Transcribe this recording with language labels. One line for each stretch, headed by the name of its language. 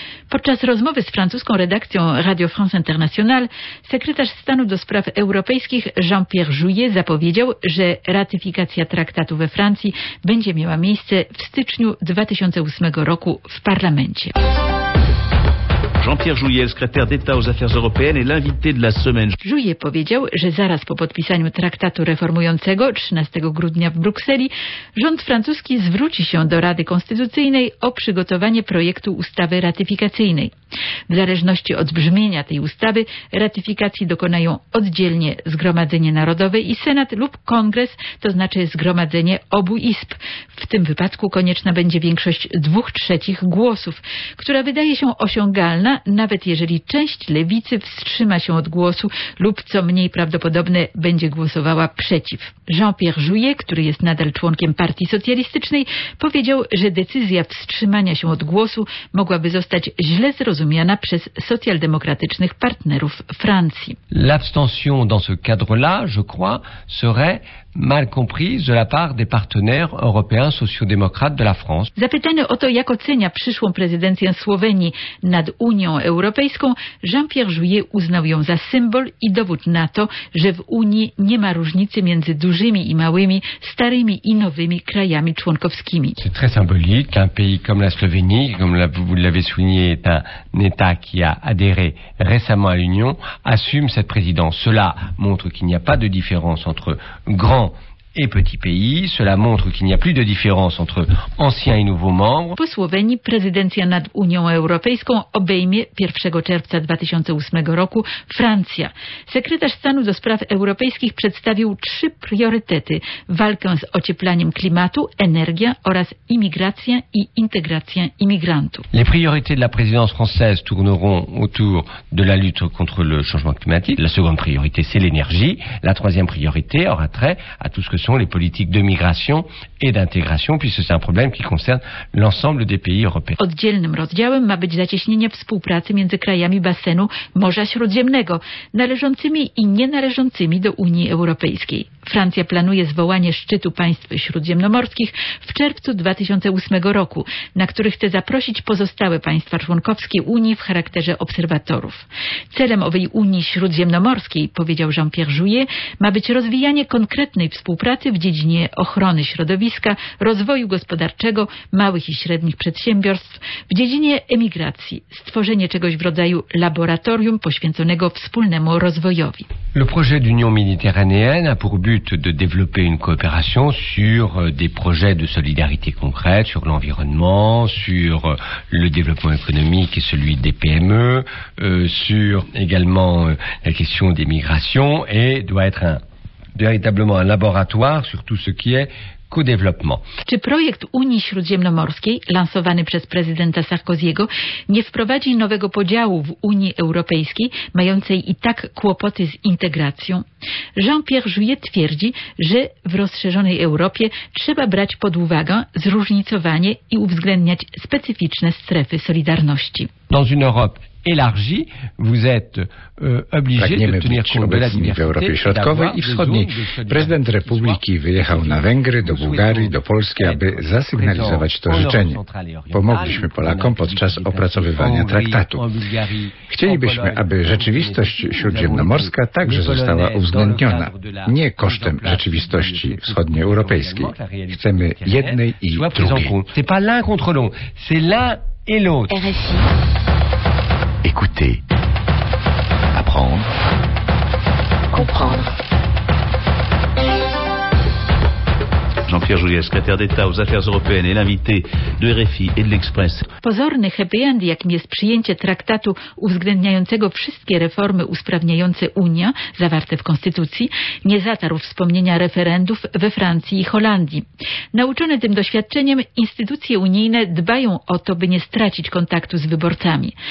Polish: Podczas rozmowy z francuską redakcją Radio France International sekretarz stanu do spraw europejskich Jean-Pierre Jouyet zapowiedział, że ratyfikacja traktatu we Francji będzie miała miejsce w styczniu 2008 roku w parlamencie.
French: Jean-Pierre Jouyet, sekretarz d'État aux affaires européennes et l'invité de la semaine.
Polish: Jouyet powiedział, że zaraz po podpisaniu traktatu reformującego 13 grudnia w Brukseli rząd francuski zwróci się do Rady Konstytucyjnej o przygotowanie projektu ustawy ratyfikacyjnej. W zależności od brzmienia tej ustawy ratyfikacji dokonają oddzielnie Zgromadzenie Narodowe i Senat lub Kongres, to znaczy zgromadzenie obu izb. W tym wypadku konieczna będzie większość 2/3 głosów, która wydaje się osiągalna, nawet jeżeli część lewicy wstrzyma się od głosu lub, co mniej prawdopodobne, będzie głosowała przeciw. Jean-Pierre Jouyet, który jest nadal członkiem partii socjalistycznej, powiedział, że decyzja wstrzymania się od głosu mogłaby zostać źle zrozumiana przez socjaldemokratycznych partnerów Francji.
French: L'abstention dans ce cadre-là, je crois, serait mal comprise de la part des partenaires européens socio-démocrates de la France.
Polish: Zapytany o to, jak ocenia przyszłą prezydencję Słowenii nad Unią Europejską, Jean-Pierre Jouyet uznał ją za symbol i dowód na to, że w Unii nie ma różnicy między dużymi i małymi, starymi i nowymi krajami członkowskimi.
French: C'est très symbolique. Un pays comme la Slovénie, comme vous l'avez souligné, est un État qui a adhéré récemment à l'Union, assume cette présidence. Cela montre qu'il n'y a pas de différence entre grand et petit pays. Cela montre qu'il n'y a plus de différence entre anciens et nouveaux membres.
Polish: Po Słowenii prezydencja nad Unią Europejską obejmie 1 czerwca 2008 roku Francja. Sekretarz stanu do spraw europejskich przedstawił 3 priorytety: walkę z ocieplaniem klimatu, energię oraz imigrację i integrację imigrantów.
French: Les priorités de la présidence française tourneront autour de la lutte contre le changement climatique. La seconde priorité, c'est l'énergie. La troisième priorité aura trait à tout que sont les politiques de migration et d'intégration, puisque c'est un problème qui concerne l'ensemble des pays européens.
Polish: Oddzielnym rozdziałem ma być zacieśnienie współpracy między krajami basenu Morza Śródziemnego, należącymi i nienależącymi do Unii Europejskiej. Francja planuje zwołanie szczytu państw śródziemnomorskich w czerwcu 2008 roku, na który chce zaprosić pozostałe państwa członkowskie Unii w charakterze obserwatorów. Celem owej Unii Śródziemnomorskiej, powiedział Jean-Pierre Jouyet, ma być rozwijanie konkretnej współpracy w dziedzinie ochrony środowiska, rozwoju gospodarczego, małych i średnich przedsiębiorstw, w dziedzinie emigracji, stworzenie czegoś w rodzaju laboratorium poświęconego wspólnemu rozwojowi.
French: Le projet d'Union méditerranéenne a pour but de développer une coopération sur des projets de solidarité concrète, sur l'environnement, sur le développement économique et celui des PME, sur également la question des migrations et doit être un véritablement un laboratoire sur tout ce qui est co-développement.
Polish: Czy projekt Unii Śródziemnomorskiej, lansowany przez prezydenta Sarkoziego, nie wprowadzi nowego podziału w Unii Europejskiej, mającej i tak kłopoty z integracją? Jean-Pierre Jouyet twierdzi, że w rozszerzonej Europie trzeba brać pod uwagę zróżnicowanie i uwzględniać specyficzne strefy solidarności.
French: Dans une Europe élargie, vous êtes obligé de tenir compte de la diversité.
Polish: W Europie Środkowej i Wschodniej. Prezydent Republiki wyjechał na Węgry, do Bułgarii, do Polski, aby zasygnalizować to życzenie. Pomogliśmy Polakom podczas opracowywania traktatu. Chcielibyśmy, aby rzeczywistość śródziemnomorska także została uwzględniona, nie kosztem rzeczywistości wschodnioeuropejskiej. Chcemy jednej i drugiej.
French: C'est pas l'un contre l'autre, c'est l'un et l'autre. RFI. Écouter, apprendre, comprendre. Jean-Pierre Jouyet, secrétaire d'État aux affaires européennes et l'invité de RFI et de l'Express.
Polish: Pozorny happy end, jakim jest przyjęcie traktatu uwzględniającego wszystkie reformy usprawniające Unię, zawarte w Konstytucji, nie zatarł wspomnienia referendów we Francji i Holandii. Nauczone tym doświadczeniem, instytucje unijne dbają o to, by nie stracić kontaktu z wyborcami.